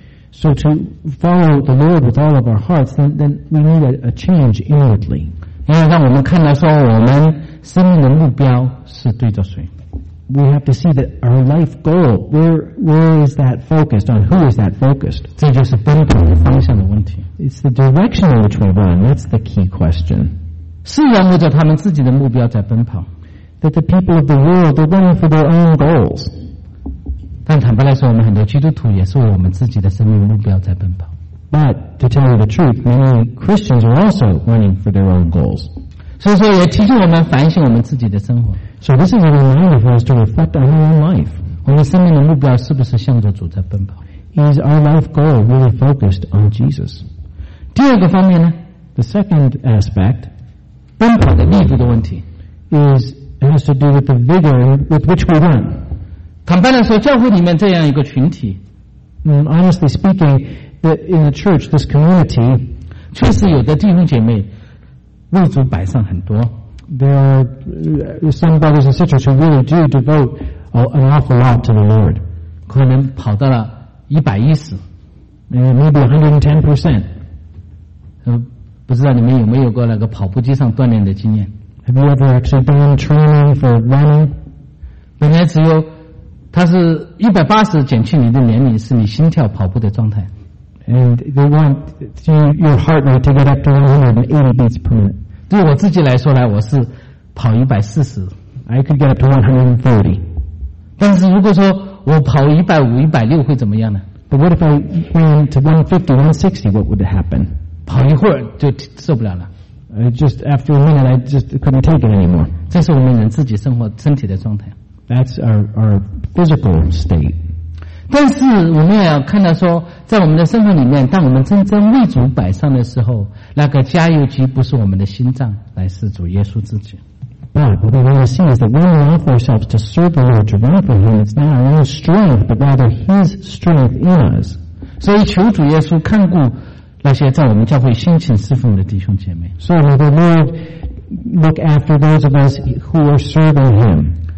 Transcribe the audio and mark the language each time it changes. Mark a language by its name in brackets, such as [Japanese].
[English] So to follow the Lord with all of our hearts, then we need a change inwardly. [Chinese] 因为让我们看到说我们生命的目标是对着谁。 [English] We have to see that our life goal, where is that focused? On who is that focused? [Chinese] 这就是奔跑的方向的问题。 [English] It's the direction in which we run. That's the key question. [Chinese] 是要摸着他们自己的目标在奔跑。 [English] That the people of the world, they're running for their own goals. [Chinese] 但坦白来说，我们很多基督徒也是为我们自己的生命目标在奔跑。 [English] But to tell you the truth, many Christians are also running for their own goals. [Chinese] 所以说，也提醒我们反省我们自己的生活。 [English] So this is a reminder for us to reflect on our own life. [Chinese] 我们生命的目标是不是向着主在奔跑 [English] ？Is our life goal really focused on Jesus? [Chinese] 第二个方面呢 [English] ？The second aspect, [Chinese] 奔跑的力度的问题 [English] ，is it has to do with the vigor with which we run. [Chinese] 坦白来说，教会里面这样一个群体 [English] ，Honestly speaking, that in the church, this community, [Chinese] 确实有的弟兄姐妹为主摆上很多。 [English] There are some brothers and sisters who really do devote an awful lot to the Lord. [Chinese] 可能跑到了110 [English] maybe 110%. [Chinese] 不知道你们有没有过那个跑步机上锻炼的经验 [English] ？Have you ever actually been training for running? [Chinese] 本来只有它是180减去你的年龄是你心跳跑步的状态 [English] and they want your heart rate to get up to 180 beats per minute [Chinese] 对我自己来说呢我是跑140 [English] I could get up to 140 [Chinese] 但是如果说我跑150-160会怎么样呢 [English] but what if I went to 150-160 what would happen [Chinese] 跑一会儿就受不了了 [English] just after a minute I just couldn't take it anymore [Chinese] 这是我们人自己生活身体的状态 [English] That's our physical state. [Chinese] 但是我们要看到说，在我们的生活里面，当我们真正为主摆上的时候，那个加油机不是我们的心脏，乃是主耶稣自己。 [English] But what we want to see is that when we offer ourselves to serve the Lord, to run for Him, it's not our own strength, but rather His strength in us. [Chinese] 所以求主耶稣看顾那些在我们教会辛勤侍奉的弟兄姐妹。 [English] So may the Lord look after those of us who are serving Him.